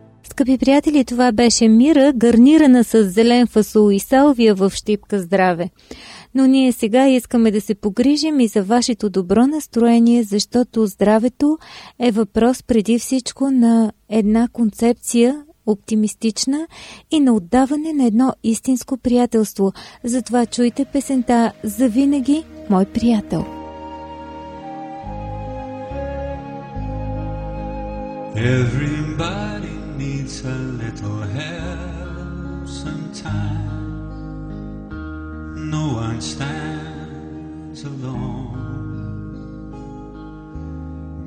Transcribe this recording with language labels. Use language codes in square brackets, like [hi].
[bg] Скъпи приятели, това беше Мира, гарнирана с зелен фасул и салвия в Щипка здраве. Но ние сега искаме да се погрижим и за вашето добро настроение, защото здравето е въпрос преди всичко на една концепция, оптимистична, и на отдаване на едно истинско приятелство. Затова чуйте песента «Завинаги, мой приятел». [en] Everybody needs a little help sometimes. No one stands alone.